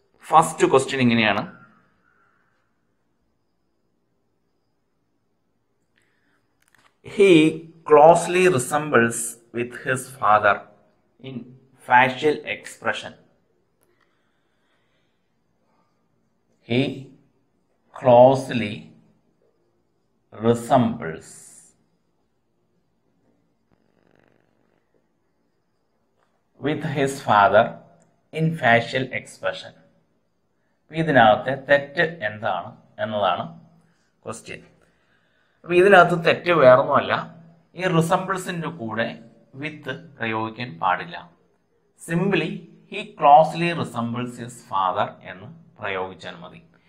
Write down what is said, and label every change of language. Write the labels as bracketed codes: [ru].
[en] first question [ml] ഇങ്ങനെയാണ്, [en] He closely resembles with his father in facial expression. He closely resembles with his father in facial expression. [ml] ഇതിനകത്തെ തെറ്റ് എന്താണ് എന്നതാണ് question. അപ്പോൾ ഇതിനകത്ത് തെറ്റ് വേറൊന്നുമല്ല, ഈ റിസംബിൾസിൻ്റെ കൂടെ വിത്ത് പ്രയോഗിക്കാൻ പാടില്ല. [en] simply he closely resembles his father [ml] എന്ന് പ്രയോഗിച്ചാൽ മതി.